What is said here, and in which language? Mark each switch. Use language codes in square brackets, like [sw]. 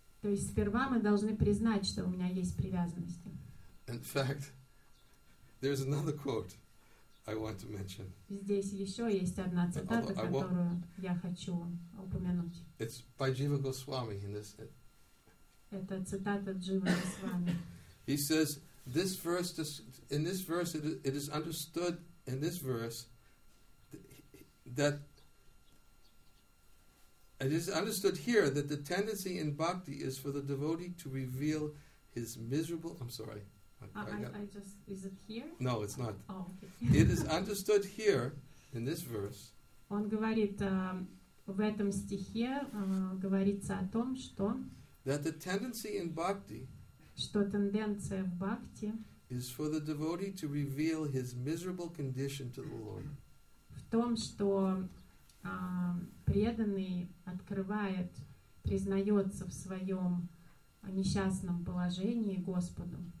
[ru] То есть сперва мы должны признать, что у меня есть привязанности. [en] In fact, there's another quote I want to mention. [ru] Здесь еще есть одна цитата, которую я хочу упомянуть. [en] It's by Jiva Goswami in this. [ru] Это цитата Джива Госвами. [en] He says, "This verse, in this verse, it is understood in this verse that it is understood here that the tendency in bhakti is for the devotee to reveal his miserable." I'm sorry. Is it here? No, it's not. Oh, okay. It is understood here in this verse. [ru] Он говорит в этом стихе говорится о том, что [en] that the tendency in bhakti, [ru] что тенденция в бхакти, [en] is for the devotee to reveal his miserable condition to the Lord. [ru] В том, что преданный открывает, признается в своем несчастном положении Господу.